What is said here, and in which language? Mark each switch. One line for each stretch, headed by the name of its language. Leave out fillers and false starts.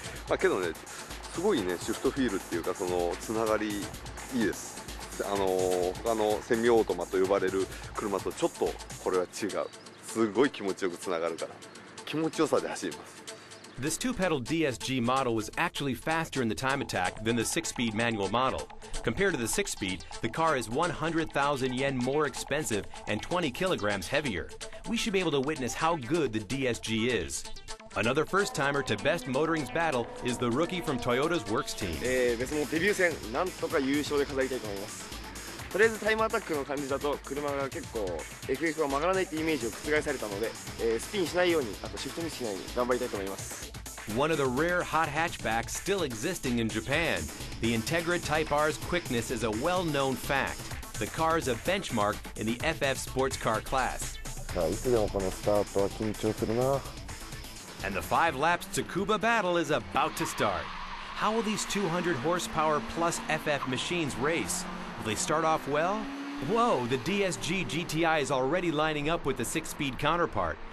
Japanese: まあけどね、すごいね、シフトフィールっていうか、そのつながりいいです。他のセミオートマと呼ばれる車とちょっとこれは違う。すごい気持ちよくつながるから、気持ちよさで走ります。
English: This two-pedal DSG model was actually faster in the time attack than the six-speed manual model. Compared to the six-speed, the car is 100,000 yen more expensive and 20 kilograms heavier. We should be able to witness how good the DSG is. Another first-timer to best motoring's battle is the rookie from Toyota's works team.
Japanese: 別のデビュー戦、なんとか優勝で飾りたいと思います。とりあえずタイムアタックの感じだと車が結構 FF は曲がらないってイメージを覆されたので、スピンしないようにあとシフトミスしないように頑張りたいと思います。
English: One of the rare hot hatchbacks still existing in Japan. The Integra Type R's quickness is a well-known fact. The car is a benchmark in the FF sports car class.
Japanese: いつでもこのスタートは緊張するな。
English: And the 5 laps Tsukuba battle is about to start. How will these 200 horsepower plus FF machines race? They start off well? Whoa, the DSG GTI is already lining up with the six-speed counterpart.